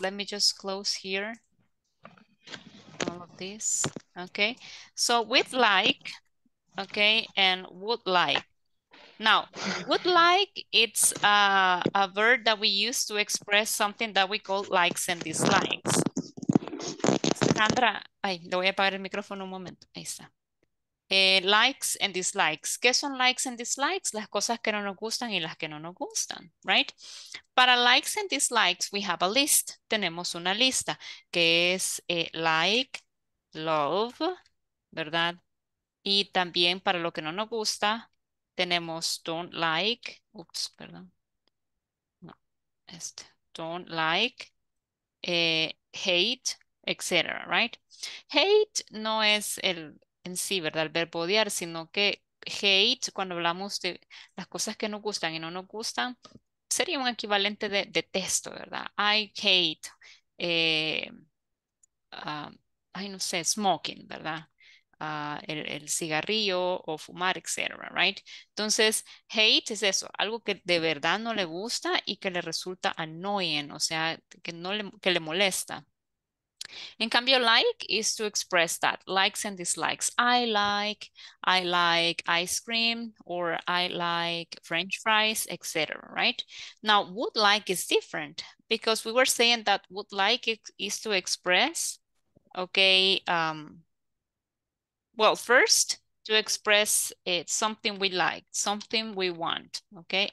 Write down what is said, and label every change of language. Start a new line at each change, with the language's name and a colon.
English: Let me just close here all of this, okay? So with like, okay, and would like. Now, would like, it's a verb that we use to express something that we call likes and dislikes.
Spanish: Sandra, ay, le voy a apagar el micrófono un momento. Ahí está. Likes and dislikes. ¿Qué son likes and dislikes? Las cosas que no nos gustan y las que no nos gustan, right?
English: Para likes and dislikes, we have a list.
Spanish: Tenemos una lista que es like, love, ¿verdad? Y también para lo que no nos gusta, tenemos don't like, oops, perdón. No, este, don't like, hate, etc., right? Hate no es el... en sí, ¿verdad? El verbo odiar, sino que hate, cuando hablamos de las cosas que nos gustan y no nos gustan, sería un equivalente de detesto, ¿verdad?
English: I hate,
Spanish: ay, no sé,
English: smoking, ¿verdad?
Spanish: El cigarrillo o fumar, etcétera, right? Entonces, hate es eso, algo que de verdad no le gusta y que le resulta annoying, o sea, que, no le, que le molesta. En cambio,
English: like is to express that, likes and dislikes. I like ice cream, or I like french fries, etc., right? Now, would like is different, because we were saying that would like is to express, okay, well, first, to express it, something we like, something we want, okay?